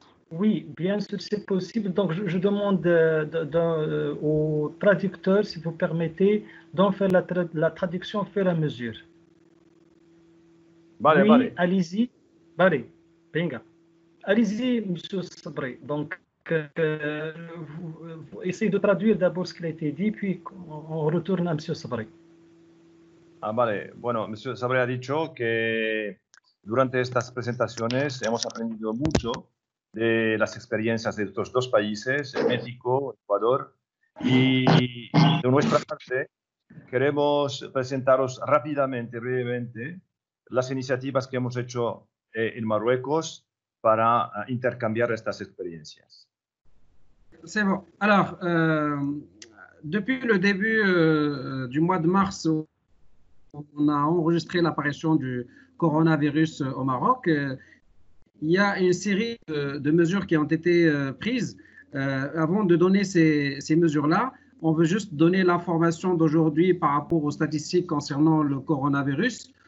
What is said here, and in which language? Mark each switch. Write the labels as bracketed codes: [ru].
[fr] Oui, bien sûr, c'est possible. Donc, je demande au traducteur, si vous permettez, d'en faire la traduction au fur et à mesure. [es] Vale, [fr] oui, [es] vale. [fr] Allez-y. [es] Vale. Venga. [fr] Allez-y, M. Sabré. Donc, vous essayez de traduire d'abord ce qui a été dit, puis on retourne à M. Sabré. [es] Ah, vale. Bueno, M. Sabré ha dicho que durante estas presentaciones hemos aprendido mucho de las experiencias de estos dos países, México, Ecuador, y de nuestra parte queremos presentaros rápidamente, brevemente, las iniciativas que hemos hecho en Marruecos para intercambiar estas experiencias. [fr] C'est bon. Alors, depuis le début du mois de mars, on a enregistré l'apparition du coronavirus au Maroc. Il y a une série de mesures qui ont été prises. Avant de donner ces mesures-là, on veut juste donner l'information d'aujourd'hui par rapport aux statistiques concernant le coronavirus.